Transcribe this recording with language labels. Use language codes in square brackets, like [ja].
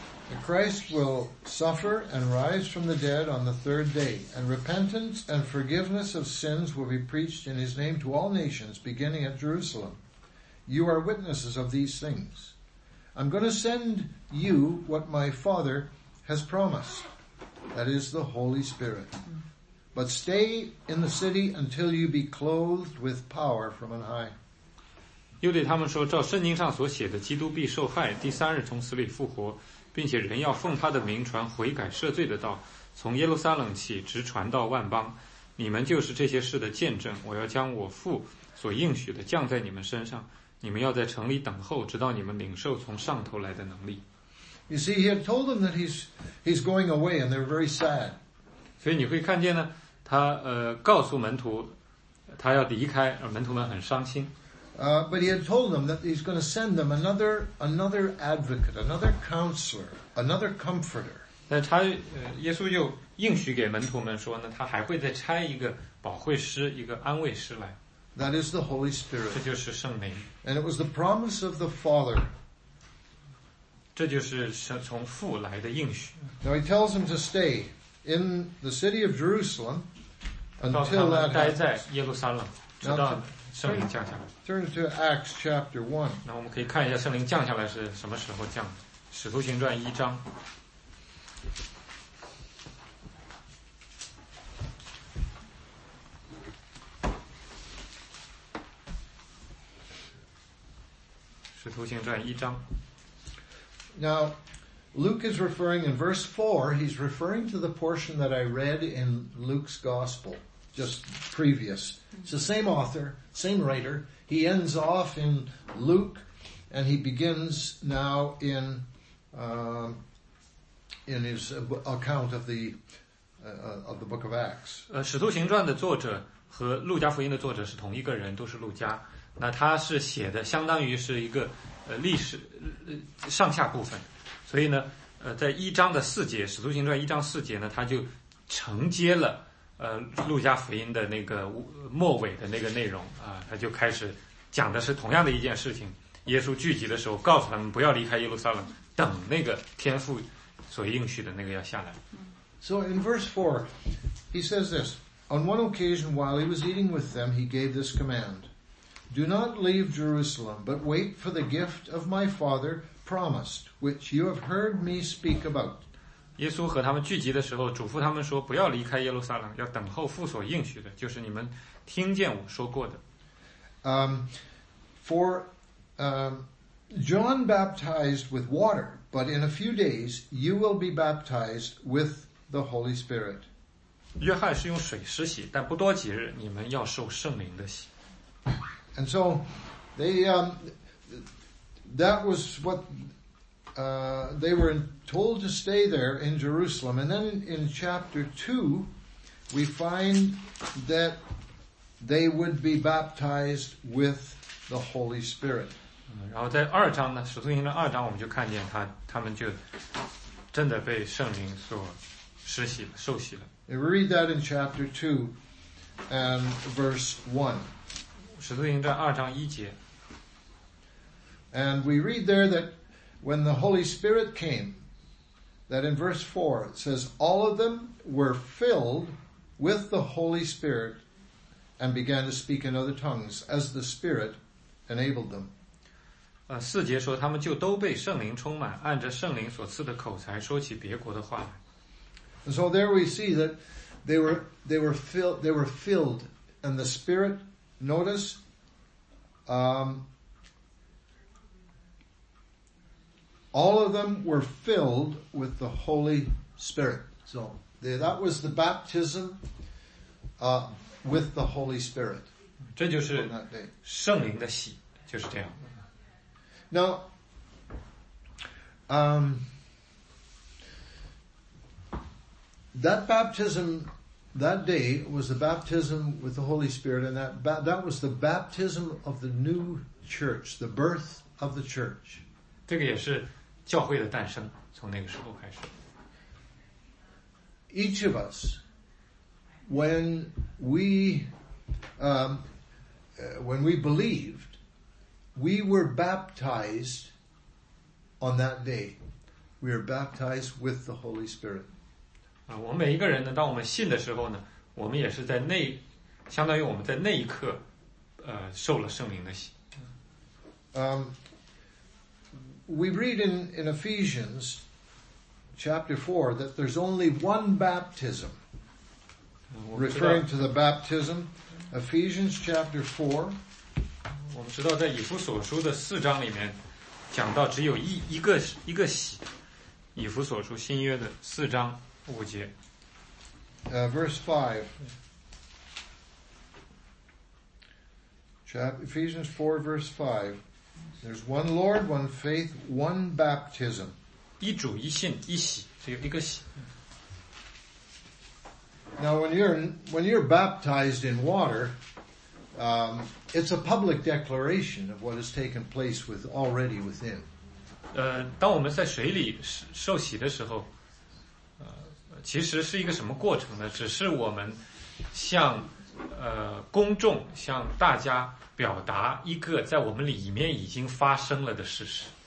[en] The Christ will suffer and rise from the dead on the third day, and repentance and forgiveness of sins will be preached in his name to all nations, beginning at Jerusalem. You are witnesses of these things. I'm going to send you what my Father has promised. That is the Holy Spirit. But stay in the city until you be clothed with power from on high. [zh] 又对他们说，照圣经上所写的，基督必受害，第三日从死里复活，并且人要奉他的名传悔改赦罪的道，从耶路撒冷起，直传到万邦。你们就是这些事的见证。我要将我父所应许的降在你们身上，你们要在城里等候，直到你们领受从上头来的能力。 [en] You see, he had told them that he's going away, and they're very sad. [zh] 所以你会看见呢，他告诉门徒，他要离开，而门徒们很伤心。 [en] But he had told them that he's going to send them another advocate, another counselor, another comforter. [zh] 那他耶稣又应许给门徒们说呢，他还会再差一个保惠师，一个安慰师来。 [en] That is the Holy Spirit. [zh] 这就是圣灵。 [en] And it was the promise of the Father. [zh] 这就是从父来的应许。 [en] Now he tells him to stay. In the city of Jerusalem, until that happens. [zh] 待在耶路撒冷，直到圣灵降下来。 [en] Turn to Acts chapter 1. [zh] 那我们可以看一下圣灵降下来是什么时候降的。使徒行传一章。使徒行传一章。 [en] Now,Luke is referring, in verse 4, he's referring to the portion that I read in Luke's Gospel, just previous. It's the same author, same writer. He ends off in Luke, and he begins now in his account of the book of Acts. [zh] 使徒行传的作者和路加福音的作者是同一个人，都是路加。那他是写的相当于是一个历史上下部分。所以呢，在一章的四节，《使徒行传》一章四节呢，他就承接了路加福音的那个末尾的那个内容啊，他就开始讲的是同样的一件事情。耶稣聚集的时候，告诉他们不要离开耶路撒冷，等那个天父所应许的那个要下来。 [en] So in verse 4, he says this: On one occasion, while he was eating with them, he gave this command: Do not leave Jerusalem, but wait for the gift of my Father. Promised, which you have heard me speak about. [zh] 耶稣和他们聚集的时候，嘱咐他们说：“不要离开耶路撒冷，要等候父所应许的，就是你们听见我说过的。” [en] John baptized with water, but in a few days you will be baptized with the Holy Spirit. [zh] 约翰是用水施洗，但不多几日，你们要受圣灵的洗。 [en] And so, that was what they were told to stay there in Jerusalem. And then in chapter 2, we find that they would be baptized with the Holy Spirit. [zh] 然后在二章呢，使徒行传二章，我们就看见他们就真的被圣灵所施洗了，受洗了。 [en] We read that in chapter 2 and verse 1. [zh] 使徒行传二章一节。 [en] And we read there that when the Holy Spirit came, that in verse 4 it says, all of them were filled with the Holy Spirit and began to speak in other tongues as the Spirit enabled them. [zh] 四节说他们就都被圣灵充满，按着圣灵所赐的口才说起别国的话。 [en] And so there we see that they were filled, and the Spirit, notice, all of them were filled with the Holy Spirit. So that was the baptism with the Holy Spirit. [zh] 这就是圣灵的洗，就是这样。 [en] Now, that baptism that day was the baptism with the Holy Spirit, and that was the baptism of the new church, the birth of the church. [zh] 这个也是教会的诞生，从那个时候开始。 [en] Each of us, when we, when we believed, we were baptized on that day. We are baptized with the Holy Spirit. [zh] 我们每一个人呢，当我们信的时候呢，我们也是在那，相当于我们在那一刻，受了圣灵的洗。 [en] We read in Ephesians chapter 4 that there's only one baptism. Referring to the baptism, Ephesians chapter 4. [zh] 我们知道在以弗所书的四章里面，讲到只有一个洗。以弗所书新约的四章。 [en] Verse 5. Ephesians 4, verse 5. There's one Lord, one faith, one baptism. [zh] 一主一信一洗，只有一个洗。 [en] Now, when you're baptized in water, it's a public declaration of what has taken place with already within. [zh] 当我们在水里受洗的时候。其实是一个什么过程呢？只是我们向公众向大家表达一个在我们里面已经发生了的事实。